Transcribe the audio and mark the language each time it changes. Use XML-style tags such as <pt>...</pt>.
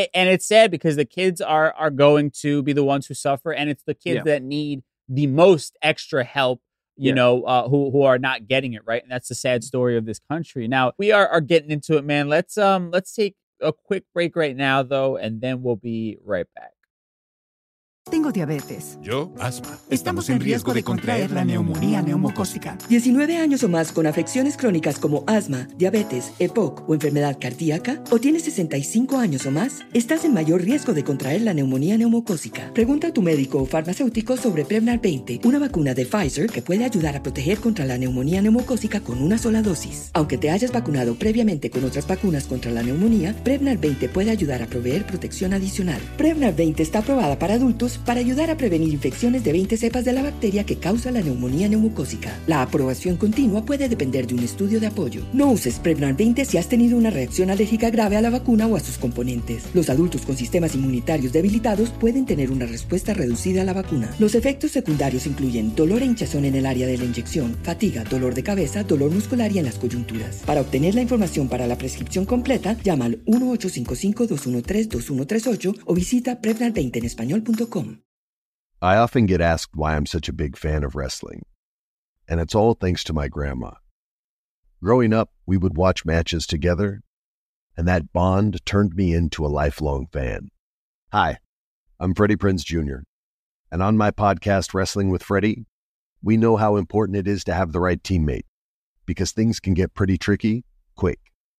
<en>And it's sad because the kids are going to be the ones who suffer. And it's the kids that need the most extra help, you know, who are not getting it. Right. And that's the sad story of this country. Now, we are getting into it, man. Let's take a quick break right now, though, and then we'll be right back.</en> <es>Tengo diabetes. Yo, asma. Estamos en riesgo de contraer la neumonía neumocócica. 19 años o más con afecciones crónicas como asma, diabetes, EPOC o enfermedad cardíaca, o tienes 65 años o más, estás en mayor riesgo de contraer la neumonía neumocócica. Pregunta a tu médico o farmacéutico sobre Prevnar 20, una vacuna de Pfizer que puede ayudar a proteger contra la neumonía neumocócica con una sola dosis. Aunque te hayas vacunado previamente con otras vacunas contra la neumonía, Prevnar 20 puede ayudar a proveer protección adicional. Prevnar 20 está aprobada para adultos para ayudar a prevenir infecciones de 20 cepas de la bacteria que causa la neumonía neumocócica. La aprobación continua puede depender de un estudio de apoyo. No uses Prevnar 20 si has tenido una reacción alérgica grave a la vacuna o a sus componentes. Los adultos con sistemas inmunitarios debilitados pueden tener una respuesta reducida a la vacuna. Los efectos secundarios incluyen dolor e hinchazón en el área de la inyección, fatiga, dolor de cabeza, dolor muscular y en las coyunturas. Para obtener la información para la prescripción completa, llama al 1-855-213-2138 o visita Prevnar20enespañol.com.</es> <en>I often get asked why I'm such a big fan of wrestling, and it's all thanks to my grandma. Growing up, we would watch matches together, and that bond turned me into a lifelong fan. Hi, I'm Freddie Prinze Jr., and on my podcast, Wrestling with Freddie, we know how important it is to have the right teammate, because things can get pretty tricky quick.</en>